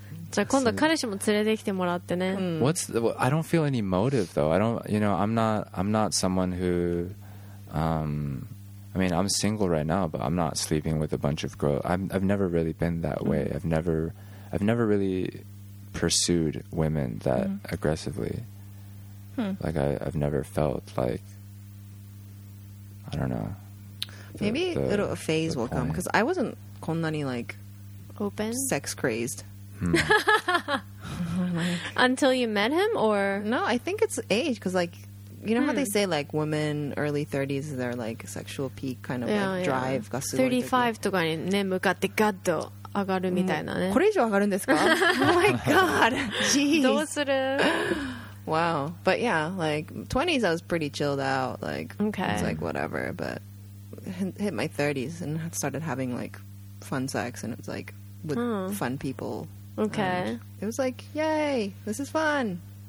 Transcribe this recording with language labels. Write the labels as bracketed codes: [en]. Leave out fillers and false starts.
[ja] じゃあ今度彼氏も連れてきてもらってね。 [en] What's the, I don't feel any motive, though. I don't, you know, I'm not someone who, I mean, I'm single right now, but I'm not sleeping with a bunch of girls. I've never really been that way. I've never really pursued women that aggressively. Like I've never felt like, I don't know. Maybe a phase will come because I wasn't [ja] こんなに [en] like open sex crazed. Until you met him, or no? I think it's age because like you know how they say like women early 30s their like sexual peak kind of like drive [ja] がすごい。 35とかにね向かってガッと上がるみたいなね。これ以上上がるんですか？ [en] Oh my god! Jeez. [ja] どうする？ [en] Wow, but yeah, like 20s, I was pretty chilled out. Like, it's like whatever. But hit my 30s and started having like fun sex, and it's like with fun people. Okay, it was like, yay, this is fun.